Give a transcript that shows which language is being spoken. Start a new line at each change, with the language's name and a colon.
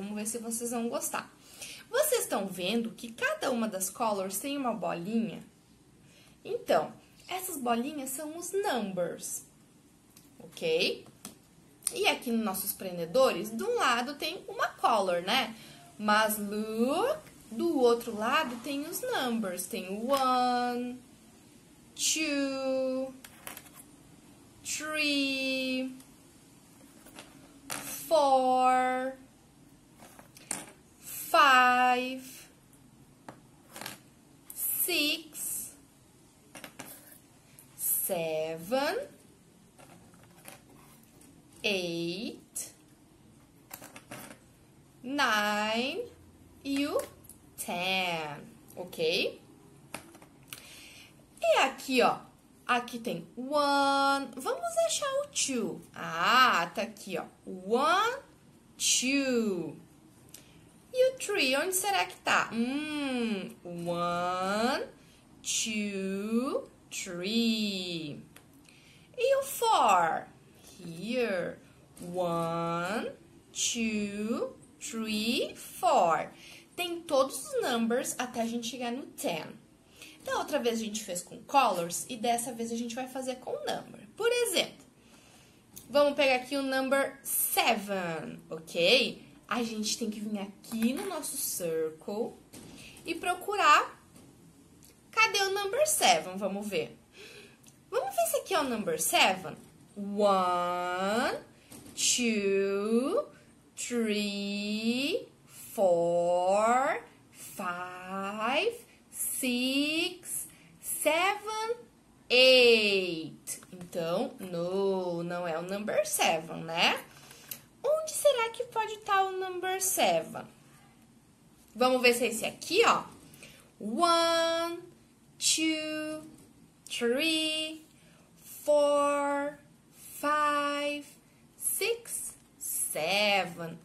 Portuguese: Vamos ver se vocês vão gostar. Vocês estão vendo que cada uma das colors tem uma bolinha? Então, essas bolinhas são os numbers, ok? E aqui nos nossos prendedores, de um lado tem uma color, né? Mas look, do outro lado tem os numbers. Tem
English: one, two, three, four, five, six, seven, eight, nine
Portuguese: e o
English: ten, ok?
Portuguese: E aqui, ó, aqui tem one, vamos achar o two. Ah, tá aqui, ó,
English: one, two.
Portuguese: E o three, onde será que tá?
English: One, two, three.
Portuguese: E o
English: four? Here. One, two, three, four.
Portuguese: Tem todos os numbers até a gente chegar no ten. Da outra vez a gente fez com colors e dessa vez a gente vai fazer com number. Por exemplo, vamos pegar aqui o number seven, ok? A gente tem que vir aqui no nosso circle e procurar. Cadê o number seven? Vamos ver. Vamos ver se aqui é o number seven.
English: One, two, three, four, five, six, seven, eight.
Portuguese: Então, no, não é o number seven, né? Onde será que pode estar o number seven? Vamos ver se é esse aqui, ó.
English: One, two, three, four, five, six, seven.